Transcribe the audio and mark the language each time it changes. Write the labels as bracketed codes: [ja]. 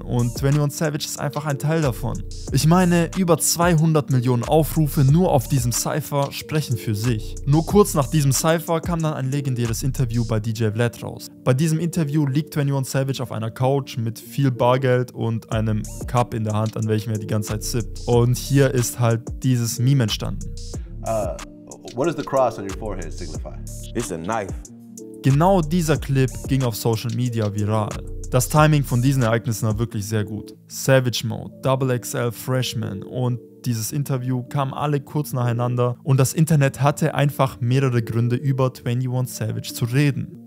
[de] Und 21 Savage ist einfach ein Teil davon. Ich meine, über 200 Millionen Aufrufe nur auf diesem Cypher sprechen für sich. Nur kurz nach diesem Cypher kam dann ein legendäres Interview bei DJ Vlad raus. Bei diesem Interview liegt 21 Savage auf einer Couch mit viel Bargeld und einem Cup in der Hand, an welchem er die ganze Zeit sippt. Und hier ist halt dieses Meme entstanden. [en] What does the cross on your forehead signify? It's a knife. [de] Genau dieser Clip ging auf Social Media viral. Das Timing von diesen Ereignissen war wirklich sehr gut. Savage Mode, XXL Freshman und dieses Interview kamen alle kurz nacheinander und das Internet hatte einfach mehrere Gründe, über 21 Savage zu reden.